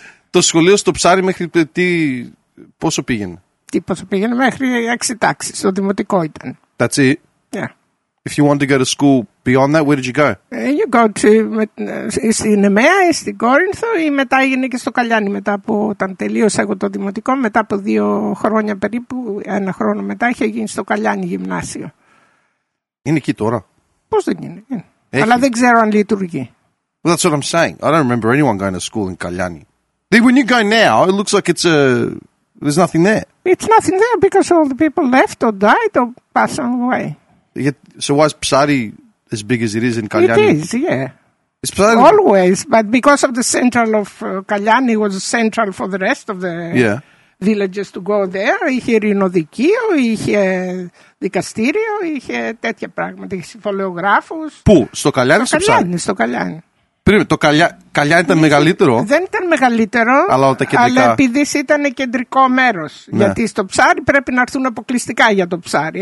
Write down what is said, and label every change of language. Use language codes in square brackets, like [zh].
[el] το σχολείο στο Ψάρι μέχρι τι, πόσο πήγαινε? Τι πόσο πήγαινε, μέχρι 6 τάξεις, στο δημοτικό ήταν. [en] That's it. Yeah. If you wanted to go to school beyond that, where did you go? You go to [el] στην Εμέα, στην Κόρινθο, ή μετά έγινε και στο Καλλιάνι. Μετά από όταν τελείωσα εγώ το δημοτικό, μετά από 2 χρόνια περίπου, 1 χρόνο μετά, είχε γίνει στο Καλλιάνι γυμνάσιο. Είναι εκεί τώρα? Πώς δεν είναι? Έχει. Αλλά δεν ξέρω αν λειτουργεί. [en] Well, that's what I'm saying. I don't remember anyone going to school in Καλλιάνι. When you go now, it looks like it's a... There's nothing there. It's nothing there because all the people left or died or passed away. So why is Psari as big as it is in Kalyani? It is, yeah. It's Psari. Always, but because of the central of Kalyani was central for the rest of the villages to go there. [el] Είχε ρινοδικείο, είχε δικαστήριο, είχε τέτοια πράγματα, είχε συμφωλεογράφους. Πού, στο Kalyani ή στο Ψάρι? Kalyani, στο Kalyani. Το Καλλιάνι ήταν μεγαλύτερο. Δεν ήταν μεγαλύτερο, αλλά, κεντρικά... αλλά επειδή ήταν κεντρικό μέρος. Ναι. Γιατί στο Ψάρι πρέπει να έρθουν αποκλειστικά για το Ψάρι.